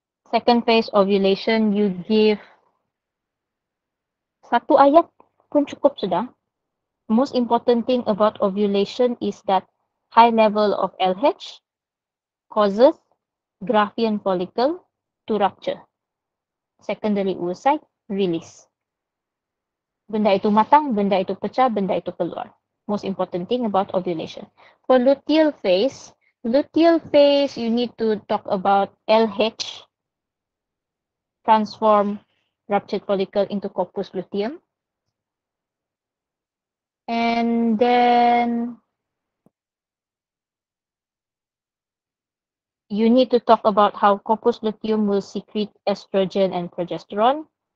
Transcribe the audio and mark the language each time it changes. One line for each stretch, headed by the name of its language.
English: Second phase ovulation, you give
Malay: satu ayat pun cukup sudah.
English: Most important thing about ovulation is that high level of LH causes graafian follicle to rupture. Secondary oocyte release.
Malay: Benda itu matang, benda itu pecah, benda itu keluar.
English: Most important thing about ovulation. For luteal phase, you need to talk about LH transform ruptured follicle into corpus luteum. And then you need to talk about how corpus luteum will secrete estrogen and progesterone.